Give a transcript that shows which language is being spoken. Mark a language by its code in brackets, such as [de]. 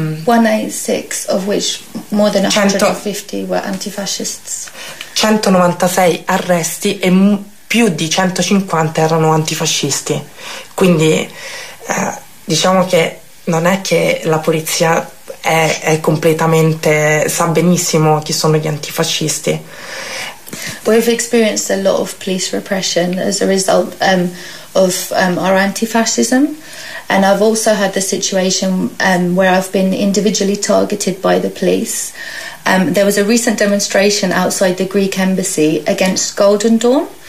[en] 186, of which more than 150 were antifascists. [it] 196 arresti e più di 150 erano antifascisti. Quindi diciamo che non è che la polizia è completamente, sa benissimo chi sono gli antifascisti. [en] We've experienced a lot of police repression as a result of our antifascism. And I've also had the situation where I've been individually targeted by the police. There was a recent demonstration outside the Greek embassy against Golden Dawn.